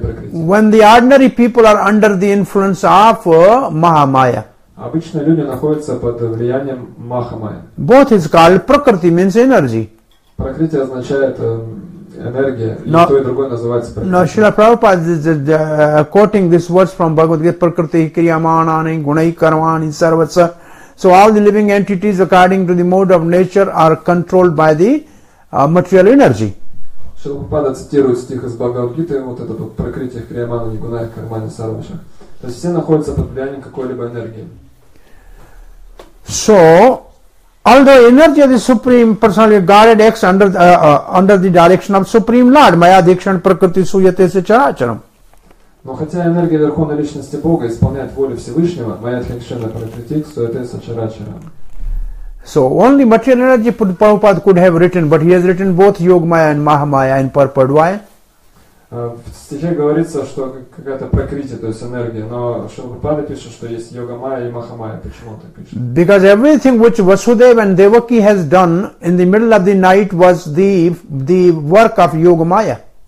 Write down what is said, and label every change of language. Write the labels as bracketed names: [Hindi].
[English] When the ordinary people are under the influence of Mahamaya. [Russian] Обычно люди находятся под влиянием Махамая. [English] Both is called Prakriti, means energy. [Russian] Prakriti означает энергия, но, и то, и другое называется Prakriti. [English] Но Шрила Прабхупада is quoting this verse from Bhagavad Gita, [Sanskrit] Prakriti Kriyamanani Gunai Karmani Sarvatsa. [English] So all the living entities according to the mode of nature are controlled by the material energy. [Russian] Шрила Прабхупада цитирует стих из Бхагавад Гиты, вот этот вот [Sanskrit] Prakriti Kriyamanani Gunai Karmani Sarvatsa. [Russian] То есть все находятся под влиянием какой-либо энергии. [English] So, although energy of the Supreme Personality of Godhead acts under the direction of Supreme Lord, [Sanskrit] Maya Dikshan Prakriti Suyate Se Characharam. [Russian] Но хотя энергия Верховной Личности Бога исполняет волю Всевышнего, [Sanskrit] Maya Dikshan Prakriti Suyate Se Characharam. [English] So only material energy Prabhupada could have written, but he has written both Yogmaya and Mahamaya and Purport. Why? [Russian] В стихе говорится, что какая-то прокрытие, то есть энергия, но Шрилупада пишет, что есть Йога-майя и Маха-майя. Почему он так пишет? [English] Because everything which Vasudeva and Devaki has done in the middle of the night was the work of Yoga-майя.